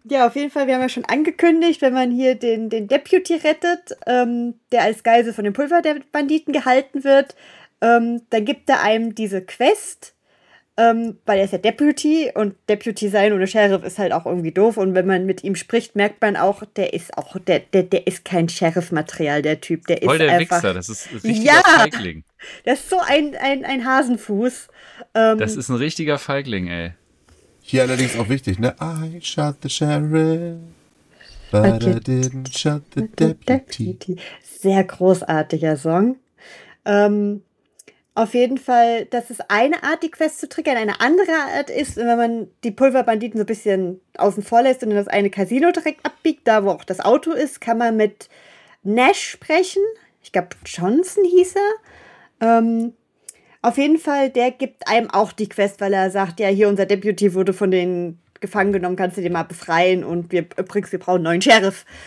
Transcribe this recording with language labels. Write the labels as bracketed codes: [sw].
[de] Ja, auf jeden Fall, wir haben ja schon angekündigt, wenn man hier den Deputy rettet, der als Geisel von den Pulverbanditen gehalten wird, dann gibt er einem diese Quest, weil er ist ja Deputy und Deputy sein ohne Sheriff ist halt auch irgendwie doof und wenn man mit ihm spricht, merkt man auch, der ist kein Sheriff-Material, der Typ, der voll ist der einfach... Voll der Wichser, das ist ein richtiger Feigling. Ja, das ist so ein Hasenfuß. Das ist ein richtiger Feigling, ey. Hier allerdings auch wichtig, ne? [en] I shot the sheriff, but I didn't shot the deputy. [de] Sehr großartiger Song. Auf jeden Fall, das ist eine Art, die Quest zu triggern. Eine andere Art ist, wenn man die Pulverbanditen so ein bisschen außen vor lässt und in das eine Casino direkt abbiegt, da wo auch das Auto ist, kann man mit Nash sprechen. Ich glaube, Johnson hieß er. Auf jeden Fall, der gibt einem auch die Quest, weil er sagt, ja, hier unser Deputy wurde von den gefangen genommen, kannst du den mal befreien und wir übrigens, wir brauchen einen neuen Sheriff.